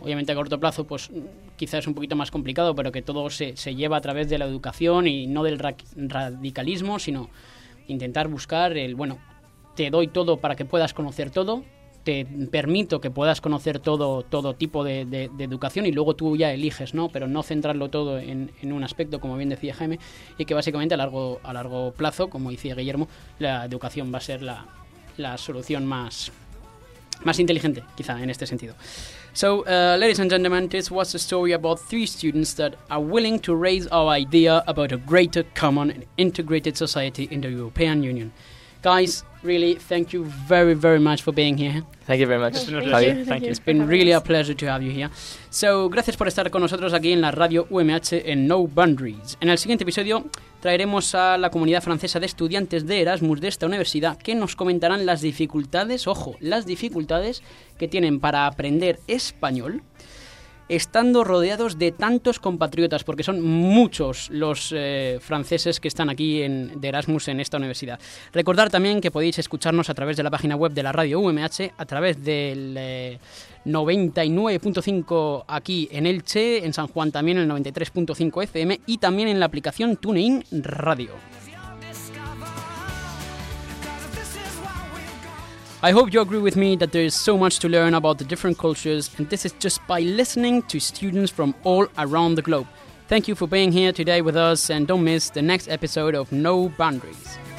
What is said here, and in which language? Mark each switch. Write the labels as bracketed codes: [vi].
[es] Obviamente a corto plazo pues quizás es un poquito más complicado, pero que todo se lleva a través de la educación y no del radicalismo, sino intentar buscar el, bueno, te doy todo para que puedas conocer todo, te permito que puedas conocer todo tipo de educación y luego tú ya eliges, ¿no? Pero no centrarlo todo en un aspecto, como bien decía Jaime, y que básicamente a largo plazo, como decía Guillermo, la educación va a ser la solución más inteligente, quizá, en este sentido. [en] So, ladies and gentlemen, this was a story about three students that are willing to raise our idea about a greater common and integrated society in the European Union. Guys, really, thank you very, very much for being here. Thank you very much. Thank you. It's been really a pleasure to have you here. [es] So, gracias por estar con nosotros aquí en la radio UMH en No Boundaries. En el siguiente episodio traeremos a la comunidad francesa de estudiantes de Erasmus de esta universidad que nos comentarán las dificultades, ojo, las dificultades que tienen para aprender español estando rodeados de tantos compatriotas, porque son muchos los franceses que están aquí de Erasmus en esta universidad. Recordar también que podéis escucharnos a través de la página web de la radio UMH, a través del 99.5 aquí en Elche, en San Juan también el 93.5 FM y también en la aplicación TuneIn Radio. [en] I hope you agree with me that there is so much to learn about the different cultures, and this is just by listening to students from all around the globe. Thank you for being here today with us, and don't miss the next episode of No Boundaries.